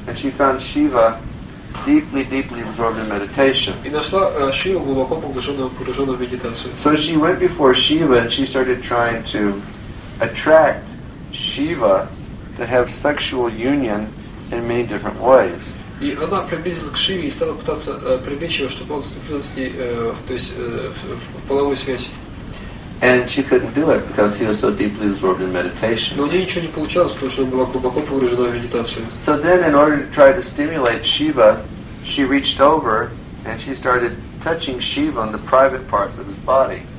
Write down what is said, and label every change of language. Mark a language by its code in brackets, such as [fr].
[en] And she found Shiva deeply, deeply absorbed in meditation. [ru] И нашла Шиву глубоко погруженную в медитацию. [en] So she went before Shiva and she started trying to attract Shiva to have sexual union in many different ways. [ru] И она приблизилась к Шиве и стала пытаться привлечь его, чтобы он вступил с ней, то есть в половую связь. [en] And she couldn't do it because he was so deeply absorbed in meditation. [ru] Но у нее ничего не получалось, потому что она была глубоко погружена в медитацию. [en] So then, in order to try to stimulate Shiva, she reached over and she started touching Shiva on the private parts of his body.